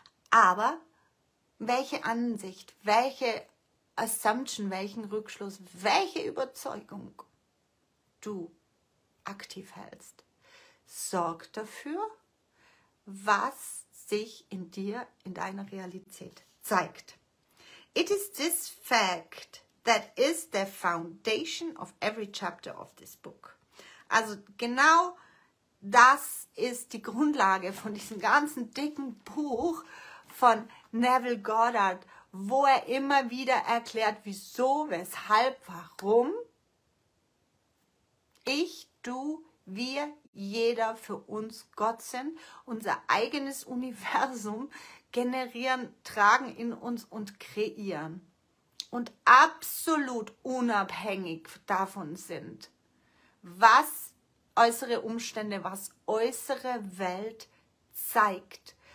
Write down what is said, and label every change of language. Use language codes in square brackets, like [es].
[de] Aber welche Ansicht, welche Assumption, welchen Rückschluss, welche Überzeugung du aktiv hältst, sorgt dafür, was sich in dir, in deiner Realität zeigt. [en] It is this fact that is the foundation of every chapter of this book. [de] Also genau das ist die Grundlage von diesem ganzen dicken Buch von Neville Goddard, wo er immer wieder erklärt, wieso, weshalb, warum ich, du, wir, jeder für uns Gott sind, unser eigenes Universum generieren, tragen in uns und kreieren und absolut unabhängig davon sind, was äußere Umstände, was äußere Welt zeigt.